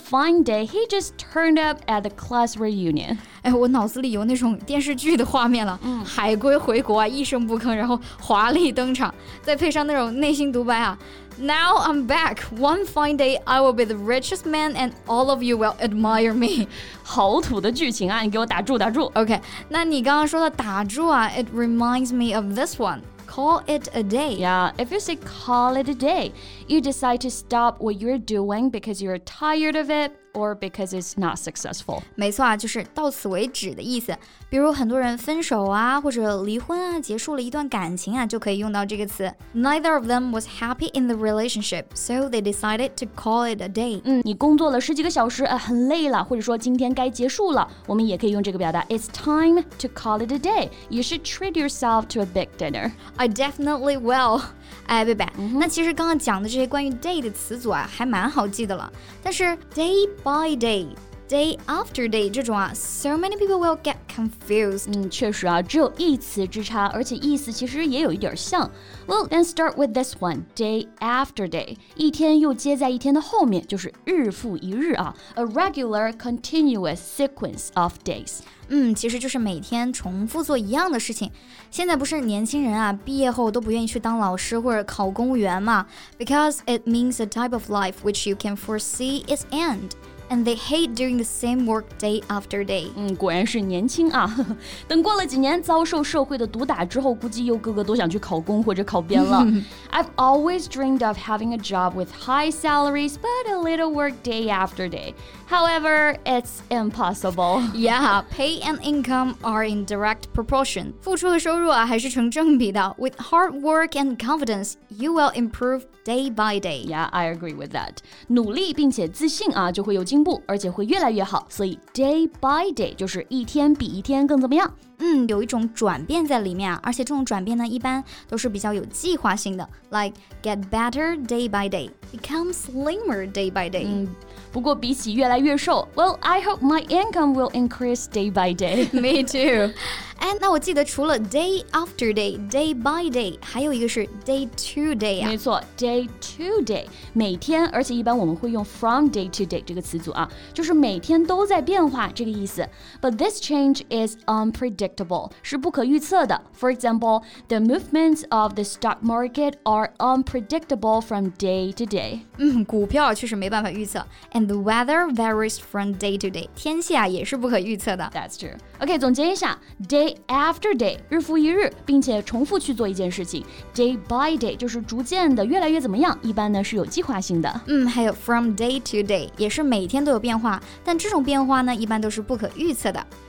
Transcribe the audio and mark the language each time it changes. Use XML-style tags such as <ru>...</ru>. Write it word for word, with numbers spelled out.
<en>Fine day, he just turned up at the class reunion.</en> <zh>哎，我脑子里有那种电视剧的画面了，嗯、海归回国啊，一声不吭，然后华丽登场，再配上那种内心独白啊。</zh> <en>Now I'm back. One fine day, I will be the richest man, and all of you will admire me.</en> <zh>好土的剧情啊！你给我打住，打住。</zh> <en>OK，</en> <zh>那你刚刚说的打住啊</zh> <en>，It reminds me of this one. Call it a day. Yeah, if you say call it a day, you decide to stop what you're doing because you're tired of it or because it's not successful.</en> <zh>没错啊，就是到此为止的意思。比如很多人分手啊，或者离婚啊，结束了一段感情啊，就可以用到这个词。</zh> <en>Neither of them was happy in the relationship, so they decided to call it a day.</en> <zh>嗯，你工作了十几个小时，呃，很累了，或者说今天该结束了，我们也可以用这个表达。</zh> <en>It's time to call it a day. You should treat yourself to a big dinner. I definitely will.</en> <zh>哎，贝贝，那其实刚刚讲的这些关于 day 的词组啊，还蛮好记的了。但是 day by day,</zh> <en>day after day</en> <zh>这种啊</zh> <en>so many people will get confused.</en> <zh>嗯，确实啊，只有一词之差，而且意思其实也有一点像。</zh> <en>Well, then start with this one, day after day.</en> <zh>一天又接在一天的后面，就是日复一日啊。</zh> <en>A regular, continuous sequence of days.</en> <zh>嗯，其实就是每天重复做一样的事情。现在不是年轻人啊，毕业后都不愿意去当老师或者考公务员嘛 ？</zh> <en>Because it means a type of life which you can foresee its end. And they hate doing the same work day after day.</en> <zh>嗯，果然是年轻啊！等过了几年遭受社会的毒打之后，估计又个个都想去考公或者考编了。</zh> <en>I've always dreamed of having a job with high salaries, but a little work day after day. However, it's impossible. Yeah, pay and income are in direct proportion.</en> <zh>付出和收入啊还是成正比的。</zh> <en>With hard work and confidence, you will improve day by day. Yeah, I agree with that.</en> <zh>努力并且自信啊，就会有进步。而且会越来越好，所以 day by day 就是一天比一天更怎么样？嗯，有一种转变在里面啊，而且这种转变呢，一般都是比较有计划性的 ，</zh> <en>like get better day by day,</en> <zh>become slimmer day by day。嗯，不过比起越来越瘦</zh> <en>，Well, I hope my income will increase day by day. Me too.</en> <zh>哎，那我记得除了 day after day, day by day， 还有一个是 day to day 啊。没错 ，day to day， 每天，而且一般我们会用 from day to day 这个词组啊，就是每天都在变化这个意思。</zh> <en>But this change is unpredictable.</en> <zh>是不可预测的。</zh> <en>For example, the movements of the stock market are unpredictable from day to day.</en> <zh>嗯，股票确实没办法预测。</zh> <en>And the weather varies from day to day.</en> <zh>天气啊也是不可预测的。</zh> <en>That's true.</en> <zh>OK, 总结一下 ，day after day 日复一日，并且重复去做一件事情。 Day by day 就是逐渐的越来越怎么样？一般呢是有计划性的。嗯，还有 from day to day 也是每天都有变化，但这种变化呢一般都是不可预测的。</zh>